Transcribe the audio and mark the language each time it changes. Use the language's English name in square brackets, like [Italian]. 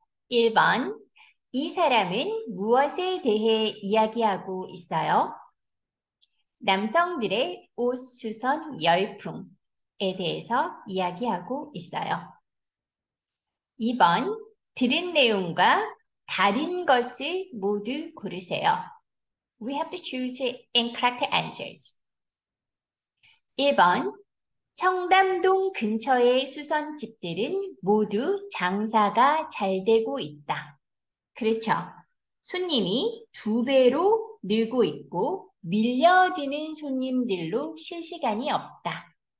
[Korean] 1번, 이 사람은 무엇에 대해 이야기하고 있어요? 남성들의 옷 수선 열풍에 대해서 이야기하고 있어요. 2번, 들은 내용과 다른 것을 모두 고르세요. [English] We have to choose incorrect answers. [Korean] 1번, 청담동 근처의 수선집들은 모두 장사가 잘 되고 있다. 그렇죠. 손님이 두 배로 늘고 있고 밀려드는 손님들로 실시간이 없다.